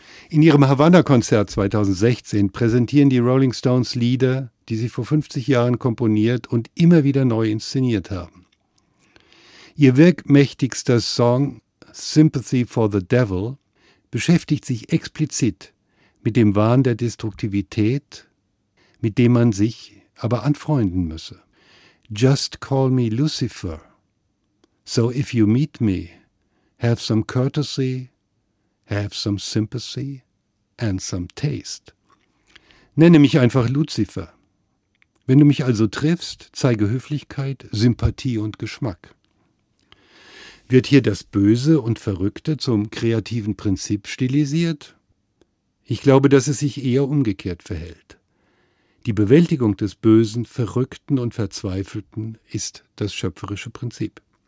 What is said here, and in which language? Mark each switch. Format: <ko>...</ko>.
<de>In ihrem Havanna-Konzert 2016 präsentieren die Rolling Stones Lieder, die sie vor 50 Jahren komponiert und immer wieder neu inszeniert haben. Ihr wirkmächtigster Song, Sympathy for the Devil, beschäftigt sich explizit mit dem Wahn der Destruktivität, mit dem man sich aber anfreunden müsse.</de> <en>Just call me Lucifer. So if you meet me, have some courtesy, have some sympathy and some taste.</en> <de>Nenne mich einfach Lucifer. Wenn du mich also triffst, zeige Höflichkeit, Sympathie und Geschmack. Wird hier das Böse und Verrückte zum kreativen Prinzip stilisiert? Ich glaube, dass es sich eher umgekehrt verhält. Die Bewältigung des Bösen, Verrückten und Verzweifelten ist das schöpferische Prinzip.</de>